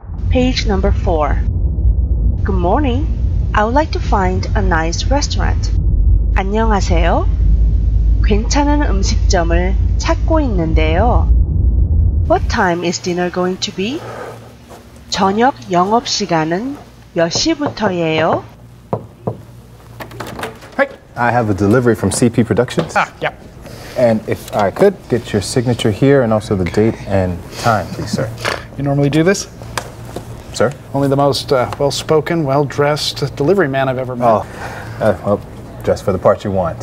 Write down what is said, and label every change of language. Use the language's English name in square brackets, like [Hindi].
[English] Page number 4. Good morning. I would like to find a nice restaurant. [Korean] 안녕하세요. 괜찮은 음식점을 찾고 있는데요. [English] What time is dinner going to be? [Korean] 저녁 영업 시간은 몇 시부터예요? [English] Hey, I have a delivery from CP Productions. Ah, yep. And if I could get your signature here and also the date and time, please, sir. You normally do this? Sir? Only the most well-spoken, well-dressed delivery man I've ever met. Oh, well, dressed for the part you want.